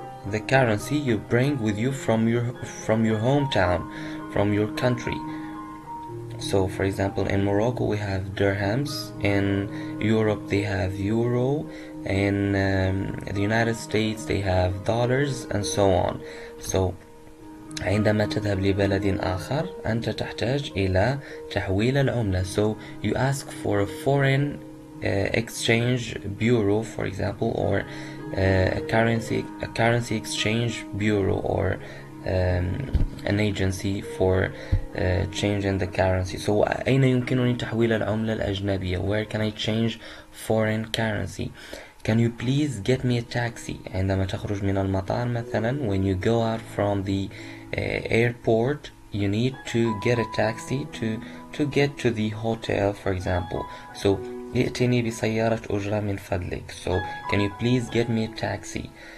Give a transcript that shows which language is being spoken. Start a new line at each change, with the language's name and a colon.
English: the currency you bring with you from your hometown, from your country. So for example, in Morocco we have dirhams, in Europe they have euro, in the United States they have dollars, and so on.
Arabic: So عندما تذهب لبلد آخر أنت تحتاج إلى تحويل العملة.
English: So you ask for a foreign exchange bureau, for example, or a currency exchange bureau, or an agency for changing the currency. So
Arabic: أين يمكنني تحويل العملة الأجنبية؟
English: Where can I change foreign currency? Can you please get me a taxi?
Arabic: عندما تخرج من المطار مثلا,
English: when you go out from the airport, you need to get a taxi to get to the hotel, for example.
Arabic: So, ائتني بسيارة أجرة من فضلك.
English: So, can you please get me a taxi?